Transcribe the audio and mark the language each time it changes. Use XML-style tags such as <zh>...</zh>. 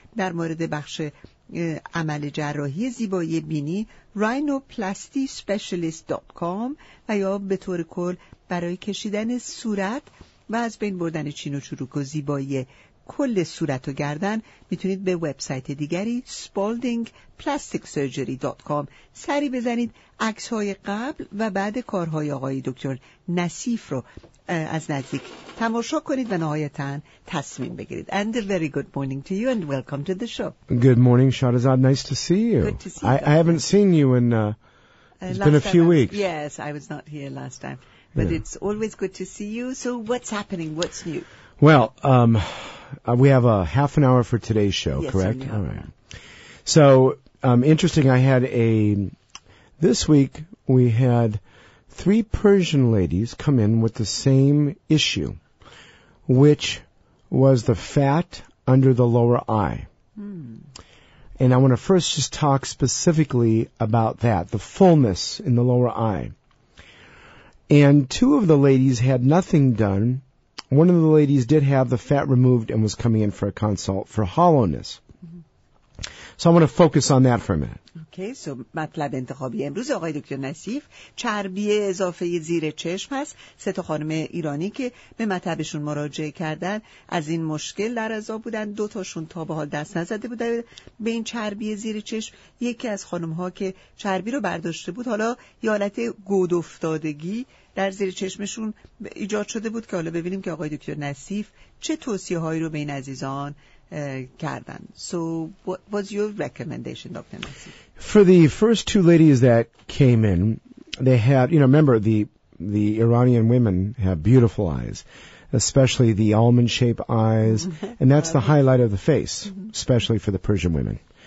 <fa>در مورد بخش عمل جراحی زیبایی بینی rhinoplastyspecialist.com و یا به طور کل برای کشیدن صورت و از بین بردن چین و چروک و زیبایی کل صورت و گردن میتونید به وبسایت دیگری spaldingplasticsurgery.com سری بزنید. عکس‌های قبل و بعد کارهای آقای دکتر نصیف رو از نزدیک تماشا کنید و نهایتاً تصمیم بگیرید.</fa> <en>And a very good morning to you and welcome to the show. Good morning, Shahrazad. Nice to see you. Good to see you. I haven't seen you in it's been a few weeks. Yes, I was not here last time. But yeah. It's always good to see you. So what's happening? What's new? Well, we have a half an hour for today's show, yes, correct? Yes, all right. So, interesting, I had this week we had three Persian ladies come in with the same issue, which was the fat under the lower eye. Mm. And I want to first just talk specifically about that, the fullness in the lower eye. And two of the ladies had nothing done. One of the ladies did have the fat removed and was coming in for a consult for hollowness. So I want to focus on that for a minute. Okay, so</en> <fa>مطلب انتخابی امروز آقای دکتر نصیف چربی اضافه زیر چشم است. سه تا خانم ایرانی که به مطبشون مراجعه کردن از این مشکل در عذاب بودن. دو تاشون تا به حال دست نزده بودن به این چربی زیر چشم. یکی از خانم ها که چربی رو برداشته بود حالا یه حالت گود افتادگی در زیر چشمشون ایجاد شده بود که حالا ببینیم که آقای دکتر نصیف چه توصیه هایی رو به این عزیزان کردن.</fa> <en>So what was your recommendation, Dr. Nassif? For the first two ladies that came in, they had, you know, remember the Iranian women have beautiful eyes, especially the almond shape eyes, and that's the highlight of the face, especially for the Persian women.</en>